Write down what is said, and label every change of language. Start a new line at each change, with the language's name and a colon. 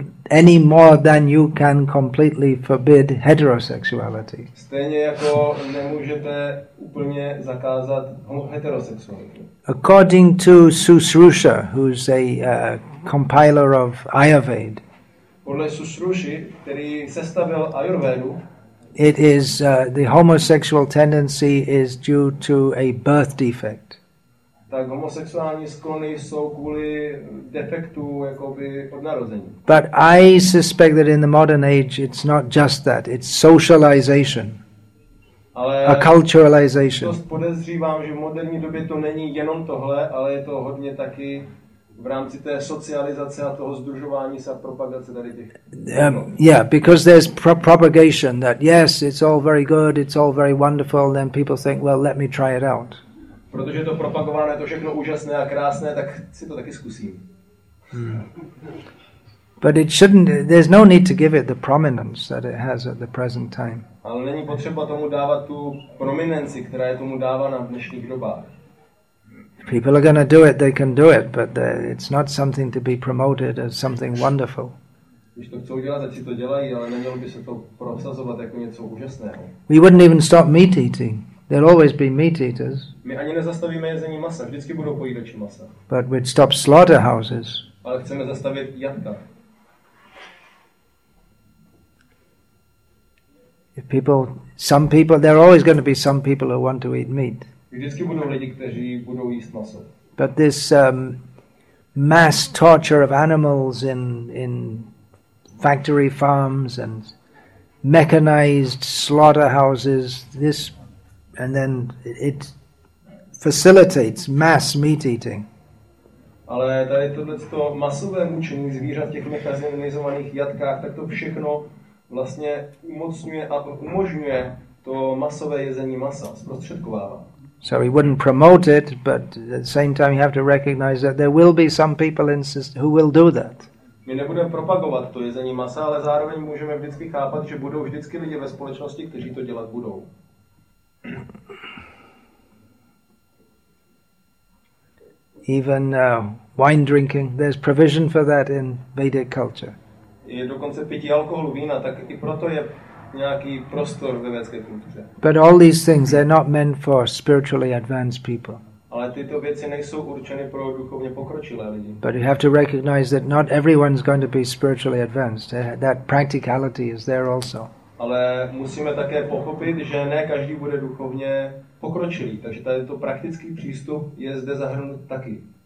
English: Any more than you can completely forbid heterosexuality.
Czech: Stejně jako nemůžete úplně zakázat heterosexualitu.
English: According to Susrusha, who's a compiler of Ayurveda.
Czech: Podle Susrushi, který sestavil Ayurvedu.
English: It is the homosexual tendency is due to a birth defect.
Czech: Tak homosexuální sklony jsou kvůli defektu jakoby od narození.
English: But I suspect that in the modern age it's not just that, it's socialization. Aculturalization.
Czech: Dost podezřívám, že v moderní době to není jenom tohle, ale je to hodně taky v rámci té socializace a toho združování se a propagace tady těch.
English: Because there's propagation that yes, it's all very good, it's all very wonderful, then people think, well, let me try it out.
Czech: Protože to propagované, to všechno úžasné a krásné, tak si to taky zkusím.
English: But it shouldn't, there's no need to give it the prominence that it has at the present time.
Czech: Ale není potřeba tomu dávat tu prominenci, která je tomu dávána v dnešních dobách.
English: People are going to do it, they can do it, but it's not something to be promoted as something wonderful.
Czech: Když to chcou dělat, si to dělají, ale nemělo by se to prosazovat jako něco úžasného.
English: We wouldn't even stop meat eating. There'll always be meat eaters.
Czech: My ani nezastavíme jezení masa, vždycky budou pojídači masa.
English: But we'd stop slaughterhouses.
Czech: Ale chceme zastavit jatka.
English: Some people, there are always going to be some people who want to eat meat.
Czech: Vždycky budou lidi, kteří budou jíst maso.
English: But this mass torture of animals in factory farms and mechanized slaughterhouses, this, and then it facilitates mass meat eating.
Czech: Ale tady tohleto masové mučení zvířat v těch mechanizovaných jatkách, tak to všechno vlastně umocňuje a umožňuje to masové jezení masa, zprostředkovává.
English: So he wouldn't promote it, but at the same time you have to recognize that there will be some people in who will do that.
Czech: My nebudeme propagovat to jezení masa, ale zároveň můžeme vždycky chápat, že budou vždycky lidi ve společnosti, kteří to dělat budou.
English: Even wine drinking, there's provision for that in Vedic culture.
Czech: Je dokonce pití alkoholu, vína, tak i proto je nějaký prostor ve vědecké kultuře.
English: But all these things, they're not meant for spiritually advanced people.
Czech: Ale tyto věci nejsou určeny pro duchovně pokročilé lidi.
English: But you have to recognize that not everyone's going to be spiritually advanced. That practicality is there also.
Czech: Ale musíme také pochopit, že ne každý bude duchovně pokročilý. Takže tady to praktický přístup je zde zahrnut taky.